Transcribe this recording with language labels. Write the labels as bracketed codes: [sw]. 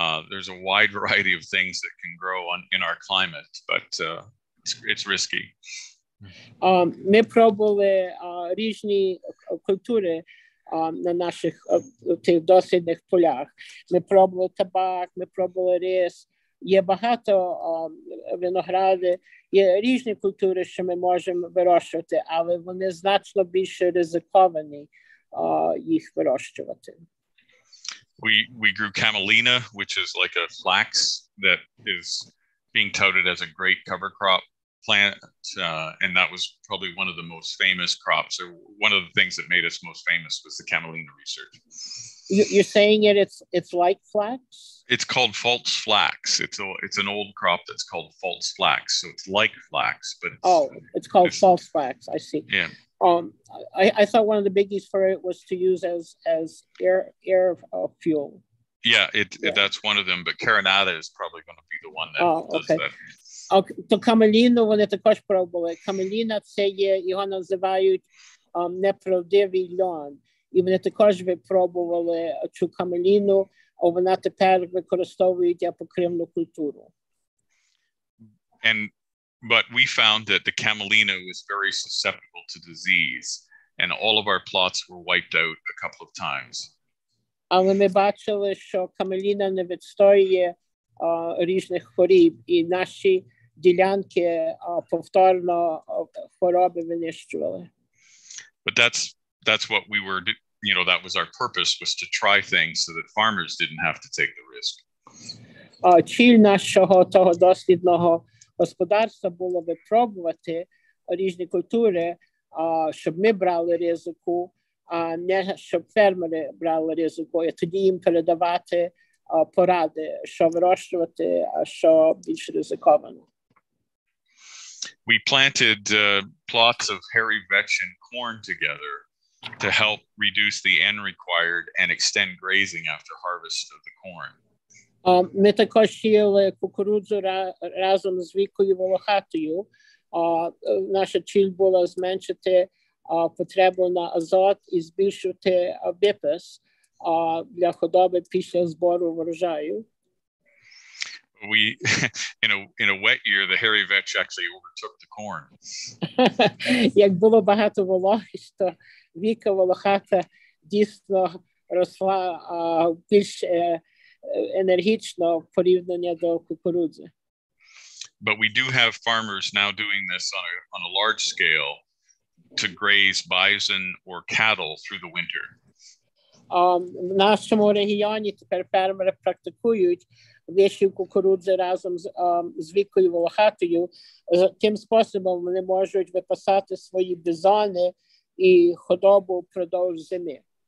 [en] There's a wide variety of things that can grow in our climate, but it's risky. [uk] Ми пробували різні культури на наших тих дослідних полях. Ми пробували табак, ми пробували рис. Є багато виногради, є різні культури, що ми можемо вирощувати, але вони значно більш ризиковані їх вирощувати. [en] We grew camelina, which is like a flax that is being touted as a great cover crop plant, and that was probably one of the most famous crops, or one of the things that made us most famous was the camelina research. You're saying it's like flax? It's called false flax. It's an old crop that's called false flax. So it's like flax, but it's called false flax. I see. Yeah. I thought one of the biggies for it was to use as air fuel. Yeah, that's one of them, but Carinata is probably going to be the one that does that. [uk] Okay. То Камеліну вони також пробували. Камеліна це є, його називають неправдивий льон. І вони також випробували цю камеліну, а вона тепер використовують як покривну культуру. [en] But we found that the camelina was very susceptible to disease, and all of our plots were wiped out a couple of times. [uk] Але ми бачили, що камеліна не відстоює різних хвороб, і наші ділянки повторно хвороби винищували. [en] But that's what we were, you know, that was our purpose, was to try things so that farmers didn't have to take the risk. [uk] Ціль нашого того дослідного господарства було випробувати різні культури, щоб ми брали ризику, а не щоб фермери брали ризику, і тоді їм передавати поради, що вирощувати, а що більш ризиковано. [en] We planted plots of hairy vetch and corn together to help reduce the N required and extend grazing after harvest of the corn. [uk] Ми також сіяли кукурудзу разом з вікою волохатою. Наша ціль була зменшити потребу на азот і збільшити випас для худоби після збору врожаю. [en] We in a wet year the hairy vetch actually overtook the corn. [uk] Як було багато вологи, то віка волохата дійсно росла більш енергічно порівняння до кукурудзи. [en] But we do have farmers now doing this on a large scale to graze bison or cattle through the winter. [uk] В нашому регіоні тепер фермери практикують вишивку кукурудзи разом з вікою волохатою. Тим способом вони можуть випасати свої бизони і худобу впродовж зими.